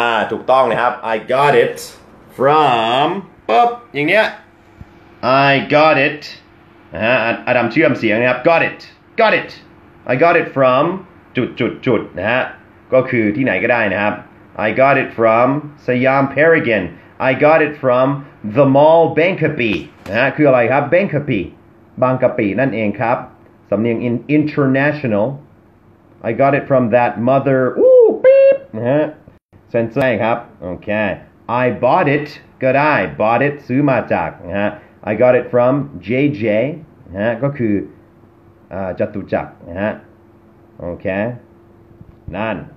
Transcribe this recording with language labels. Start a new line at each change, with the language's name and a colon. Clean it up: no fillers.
Thai: ถูกต้องนะครับ
English: I got it from
Thai: ปุ๊บอย่างเนี้ย
English: I got it
Thai: นะฮะอดัมเชื่อมเสียงนะครับ
English: got it I got it from
Thai: จุดนะฮะก็คือที่ไหนก็ได้นะครับ
English: I got it from Siam Paragon. I got it from the mall Bangkapi.
Thai: นะคืออะไรครับ Bangkapi. Bangkapi นั่นเองครับสำเนียง international.
English: I got it from that mother. Ooh, beep.
Thai: นะฮะ
English: Sensei ครับ Okay. I bought it
Thai: ก็ได้
English: bought it
Thai: ซื้อมาจากนะฮะ
English: I got it from JJ
Thai: นะฮะก็คือจตุจักรนะฮะโอเคนั่น